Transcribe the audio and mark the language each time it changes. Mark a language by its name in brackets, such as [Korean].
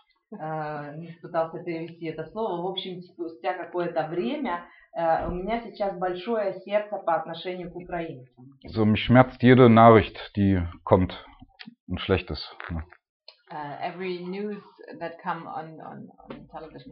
[Russian] Не пытался перевести это слово. В общем, спустя какое-то время у меня сейчас большое сердце по отношению к украинцам. [German] So, mich schmerzt jede Nachricht, die kommt, ein schlechtes. Ne? [English] Every news that come on television.